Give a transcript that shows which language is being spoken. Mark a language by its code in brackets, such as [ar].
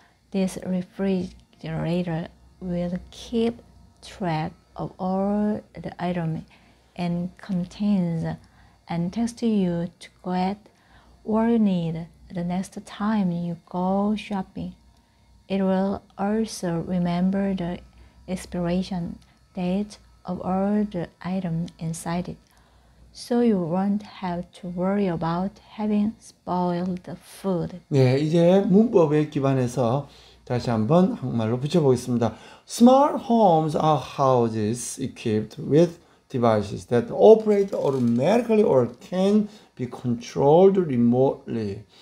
[en] This refrigerator will keep track of all the items and contains and texts you to get what you need the next time you go shopping. It will also remember the expiration date of all the items inside it, so you won't have to worry about having spoiled food. [ko] 네, 이제 문법에 기반해서 다시 한번 한국말로 붙여보겠습니다. [en] Smart homes are houses equipped with devices that operate automatically or can be controlled remotely.